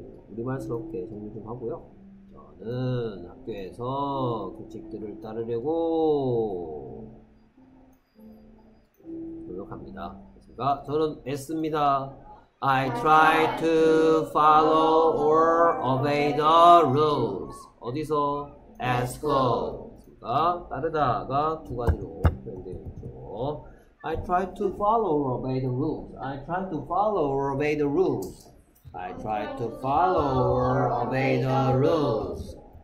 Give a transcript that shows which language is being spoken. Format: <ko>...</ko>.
<ko>우리말스럽게 정리 좀 하고요. 저는 학교에서 규칙들을 따르려고 노력합니다. 그러니까 저는 S입니다.</ko> <en>I try to follow or obey the rules.</en> <ko>어디서?</ko> <en>At school.</en> <ko>그러니까 따르다가 두 가지로 표현되어 있죠.</ko> <en>I try to follow or obey the rules. I try to follow or obey the rules. I try to follow or obey the rules.</en>